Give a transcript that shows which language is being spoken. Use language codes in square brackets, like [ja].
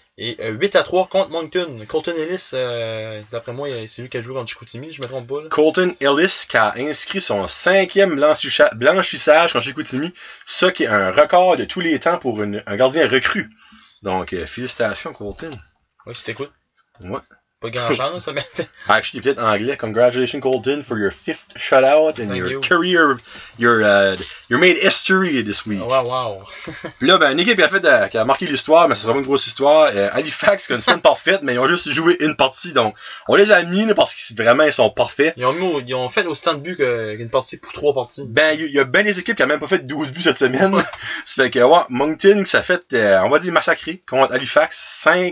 [fr] Et 8 à 3 contre Moncton. Colton Ellis, d'après moi, c'est lui qui a joué contre Chicoutimi, je me trompe pas. Là. Colton Ellis qui a inscrit son 5e blanchissage contre Chicoutimi, ce qui est un record de tous les temps pour un gardien recru. Donc, félicitations, Colton. Oui, si t'écoutes. Ouais. Pas grand chance, ça, mais. Actually, peut-être en anglais. [en] Congratulations, Colton, for your 5th shutout and your career. You made history this week. Wow, wow. [fr] Puis là, ben, une équipe qui a marqué l'histoire, mais c'est vraiment une grosse histoire. Halifax, qui a une semaine parfaite, mais ils ont juste joué une partie. Donc, on les a mis, là, parce qu'ils vraiment, ils sont parfaits. Ils ont fait autant de buts qu'une partie pour 3 parties. Ben, il y a bien des équipes qui n'ont même pas fait 12 buts cette semaine. Ça fait que, ouais, Moncton, ça fait, on va dire, massacré contre Halifax.